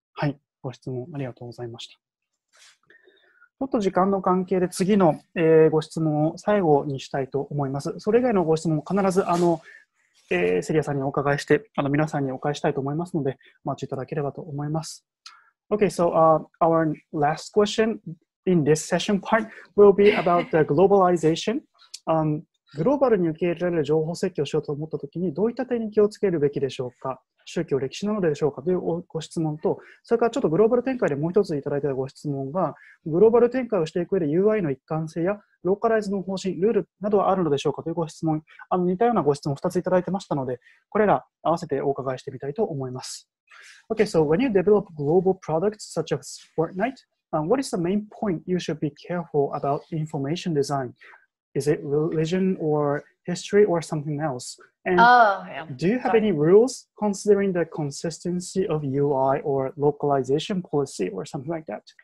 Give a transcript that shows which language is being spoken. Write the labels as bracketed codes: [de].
[ja] はい、ご質問ありがとうございました。ちょっと時間の関係で次の、ご質問を最後にしたいと思います。それ以外のご質問も必ず、セリアさんにお伺いして、皆さんにお返したいと思いますので、お待ちいただければと思います。 [en] Okay, so, our last question in this session part will be about the globalization. [ja] グローバルに受け入れられる情報設計をしようと思ったときに、どういった点に気をつけるべきでしょうか、宗教、歴史なのでしょうかというご質問と、それからちょっとグローバル展開でもう一ついただいたご質問が、グローバル展開をしていく上で UI の一貫性やローカライズの方針、ルールなどはあるのでしょうかというご質問、似たようなご質問を2ついただいてましたので、これら合わせてお伺いしてみたいと思います。 [en] Okay, so when you develop global products such as Fortnite, what is the main point you should be careful about information design? Is it religion or history or something else? And do you have any rules considering the consistency of UI or localization policy or something like that?